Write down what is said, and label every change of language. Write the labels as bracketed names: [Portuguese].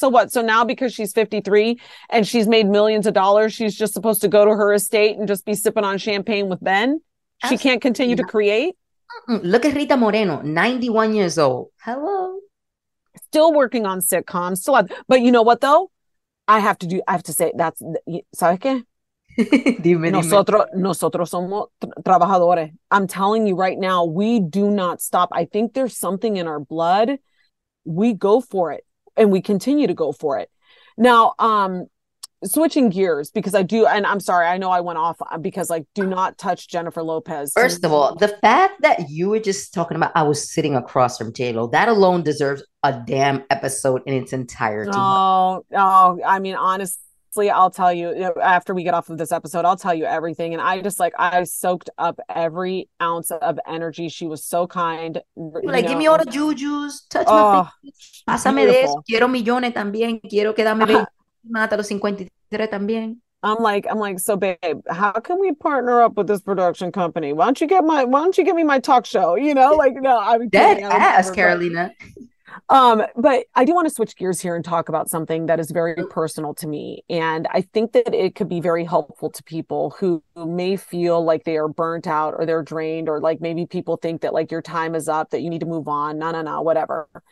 [English] So what? So now because she's 53 and she's made millions of dollars, she's just supposed to go to her estate and just be sipping on champagne with Ben? She can't continue to create? Look at Rita Moreno, 91 years old. Hello. Still working on sitcoms. Still on, but you know what though? I have to say that's, [Spanish] ¿sabes qué? Dime, nosotros somos trabajadores. [English] I'm telling you right now, we do not stop. I think there's something in our blood. We go for it and we continue to go for it. Now, switching gears, because I do, and I'm sorry, I know I went off, because like, do not touch Jennifer Lopez. First of all, the fact that you were just talking about, I was sitting across from J-Lo, that alone deserves a damn episode in its entirety. I mean, honestly, I'll tell you after we get off of this episode, I'll tell you everything. And I just like, I soaked up every ounce of energy. She was so kind. Like, give me all the jujus. Touch my face. [Spanish] Pásame de eso. Quiero millones también. Quiero quedarme hasta los 53 también. [English] I'm like, so babe, how can we partner up with this production company? Why don't you get me my talk show? You know, like, no, I'm dead ass, Carolina. But I do want to switch gears here and talk about something that is very personal to me. And I think that it could be very helpful to people who may feel like they are burnt out or they're drained, or like maybe people think that like your time is up, that you need to move on. No, whatever.